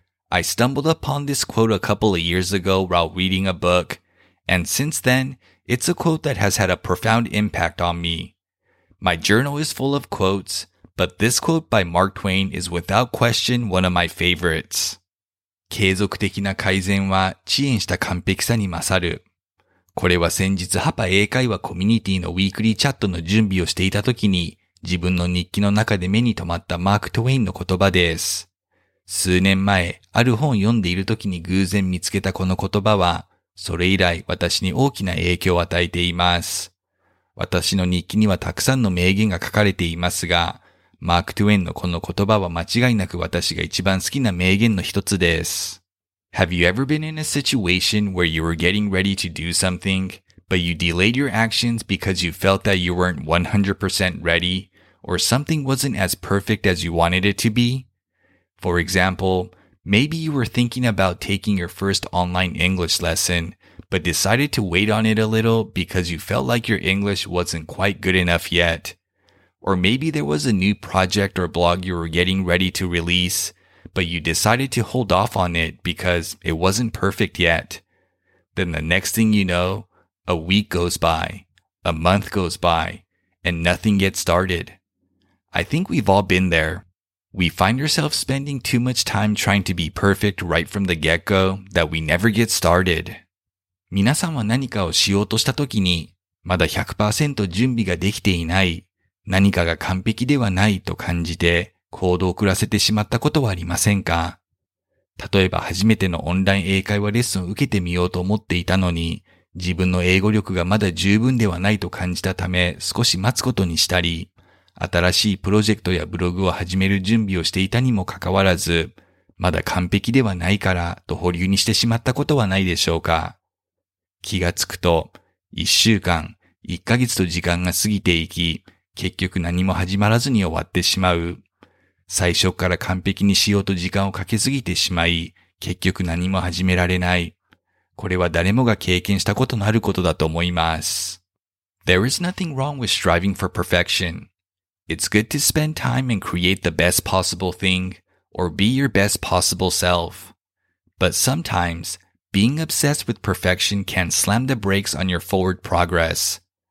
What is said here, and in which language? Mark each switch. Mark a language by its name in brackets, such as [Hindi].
[English] I stumbled upon this quote a couple of years ago while reading a book, and since then, it's a quote that has had a profound impact on me. My journal is full of quotes, but this quote by Mark Twain is without question one of my favorites. [Japanese] 継続的な改善は遅延した完璧さに勝る。これは先日ハパ英会話コミュニティのウィークリーチャットの準備をしていた時に自分の日記の中で目に留まったマーク・トウェインの言葉です。数年前、ある本を読んでいる時に偶然見つけたこの言葉は、それ以来私に大きな影響を与えています。私の日記にはたくさんの名言が書かれていますが、マーク・トウェインのこの言葉は間違いなく私が一番好きな名言の一つです。 [English] Have you ever been in a situation where you were getting ready to do something, but you delayed your actions because you felt that you weren't 100% ready, or something wasn't as perfect as you wanted it to be? For example, maybe you were thinking about taking your first online English lesson, but decided to wait on it a little because you felt like your English wasn't quite good enough yet. Or maybe there was a new project or blog you were getting ready to release, but you decided to hold off on it because it wasn't perfect yet. Then the next thing you know, a week goes by, a month goes by, and nothing gets started. I think we've all been there. We find ourselves spending too much time trying to be perfect right from the get-go that we never get started. [Japanese] 皆さんは何かをしようとした時に、まだ 100% 準備ができていない。何かが完璧ではないと感じて行動を遅らせてしまったことはありませんか？例えば初めてのオンライン英会話レッスンを受けてみようと思っていたのに、自分の英語力がまだ十分ではないと感じたため少し待つことにしたり、新しいプロジェクトやブログを始める準備をしていたにもかかわらず、まだ完璧ではないからと保留にしてしまったことはないでしょうか？気がつくと、一週間、一ヶ月と時間が過ぎていき、結局何も始まらずに終わってしまう。最初から完璧にしようと時間をかけすぎてしまい、結局何も始められない。これは誰もが経験したことのあることだと思います。 [English] There is nothing wrong with striving for perfection. It's good to spend time and create the best possible thing, or be your best possible self. But sometimes, being obsessed with perfection can slam the brakes on your forward progress.